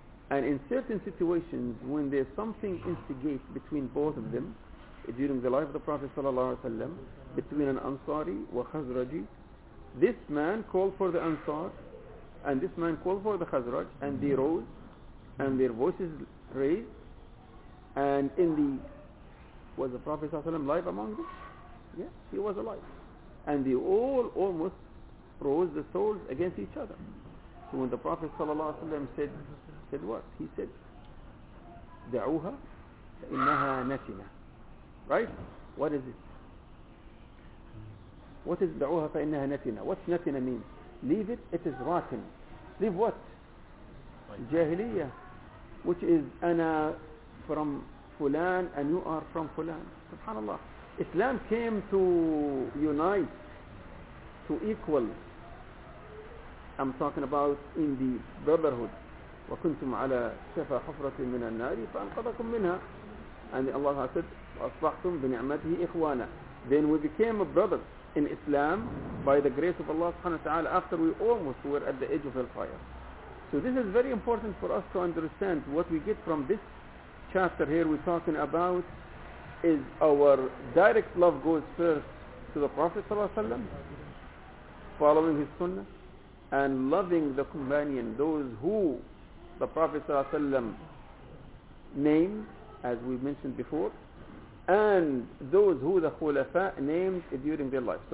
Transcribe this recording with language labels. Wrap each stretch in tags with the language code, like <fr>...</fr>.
<en>And in certain situations, when there's something instigates between both of them, during the life of the Prophet ﷺ, between an Ansari and Khazraji, this man called for the Ansar and this man called for the Khazraj, and they rose and their voices raised, and in the, was the Prophet ﷺ alive among them? Yes, he was alive. And they all almost rose the swords against each other. So when the Prophet ﷺ said what? He said,</en> <ar>دَعُوهَا إِنَّهَا نَتِنَا.</ar> <en>Right? What is it? What is</en> <ar>دَعُوهَا فَإِنَّهَا نَتِنَا?</ar> <en>What's نَتِنَا mean? Leave it, it is rotten. Leave what? جاهلية. Which is ana from fulan and you are from fulan. Subhanallah. Islam came to unite, to equal. I'm talking about in the brotherhood.</en> <ar>وَكُنْتُمْ عَلَى شَفَى حُفْرَةٍ مِنَ النَّارِ فَأَنْقَذَكُمْ مِنْهَا.</ar> <en>And Allah said,</en> <ar>أَصْبَحْتُمْ بِنِعْمَتِهِ إِخْوَانَا.</ar> <en>Then we became a brother in Islam by the grace of Allah subhanahu wa ta'ala after we almost were at the edge of hellfire. So this is very important for us to understand what we get from this chapter here we're talking about is our direct love goes first to the Prophet sallallahu alaihi wasallam, following his sunnah, and loving the companion, those who the Prophet sallallahu alaihi wasallam named, as we mentioned before, and those who the Khulafa named during their life.</en>